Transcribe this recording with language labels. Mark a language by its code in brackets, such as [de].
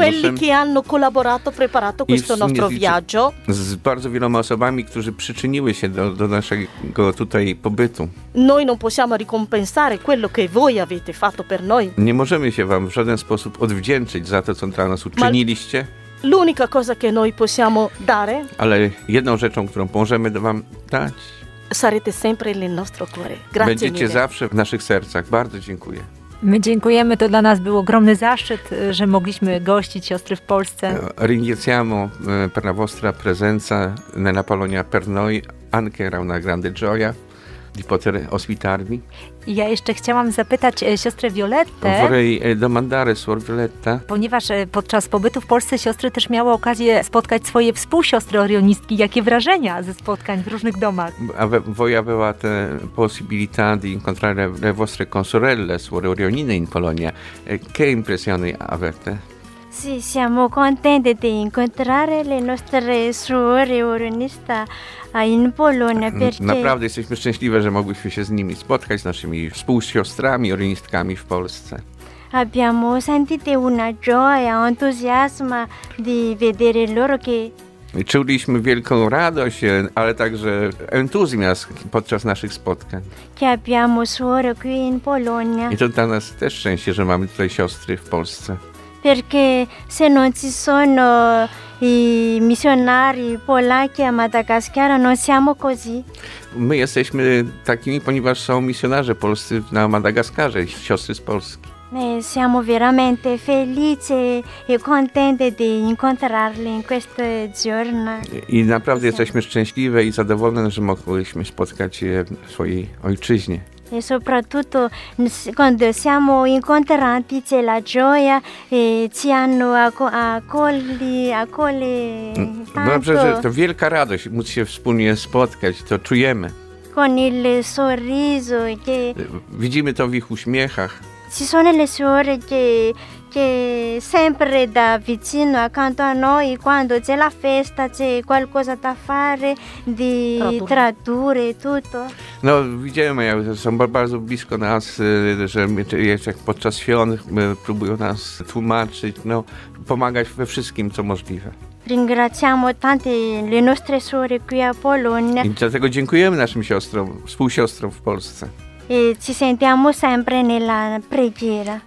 [it] E tutti quelli che hanno collaborato, preparato questo nostro viaggio. [pl] Z bardzo wieloma osobami, którzy przyczyniły się do naszego tutaj pobytu. [it] Noi non possiamo ricompensare quello che voi avete fatto per noi. [pl] Nie możemy się wam w żaden sposób odwdzięczyć za to, co dla nas uczyniliście. [it] L'unica cosa che noi possiamo dare. [pl] Ale jedną rzeczą, którą możemy wam dać. [it] Sarete sempre nel nostro cuore. Grazie. [pl] Będziecie zawsze w naszych sercach. Bardzo dziękuję. My dziękujemy. To dla nas był ogromny zaszczyt, że mogliśmy gościć siostry w Polsce. [it] Ringraziamo per la vostra presenza nella Polonia per noi anche era una grande gioia. di poter ospitarvi. [pl] Ja jeszcze chciałam zapytać siostrę Violette. [it] Vorrei domandare suor Violetta. [pl] Ponieważ podczas pobytu w Polsce siostry też miały okazję spotkać swoje współsiostry orionistki. Jakie wrażenia ze spotkań w różnych domach? [it] Voi avevate possibilità di incontrare le vostre consorelle, suore orionine in Polonia. Che impressioni avete? Sì, siamo contenti di incontrare le nostre suore orioniste in Polonia perché... [pl] Naprawdę jesteśmy szczęśliwe, że mogliśmy się z nimi spotkać, z naszymi współsiostrami orionistkami w Polsce. [it] Abbiamo sentito una gioia, entusiasmo di vedere loro che... [pl] Czuliśmy wielką radość, ale także entuzjazm podczas naszych spotkań. [it] Che abbiamo suore qui in Polonia. [pl] I to dla nas też szczęście, że mamy tutaj siostry w Polsce. [it] Perché se non ci sono i misjonari polacchi a Madagascar, non siamo così. [pl] My jesteśmy takimi, ponieważ są misjonarze polscy na Madagaskarze, siostry z Polski. [it] Ne siamo veramente felici e contenti di incontrarli in questo giorno. [pl] I naprawdę jesteśmy szczęśliwe i zadowolone, że mogliśmy spotkać je w swojej ojczyźnie. [it] E soprattutto quando siamo incontrati c'è la gioia e ci hanno accolti tanto. [pl] Dobrze, że to wielka radość móc się wspólnie spotkać, to czujemy. [it] Con il sorriso che... [pl] Widzimy to w ich uśmiechach. [it] Ci sono le suore che sempre da vicino accanto a noi quando c'è la festa c'è qualcosa da fare di tradurre tutto. [pl] No widzimy, jak są bardzo blisko nas, że jak podczas świąt próbują nas tłumaczyć, no pomagać we wszystkim co możliwe. [it] Ringraziamo tante le nostre suore qui a Polonia. [pl] I dlatego dziękujemy naszym siostrom, współsiostrom w Polsce. [it] E ci sentiamo sempre nella preghiera.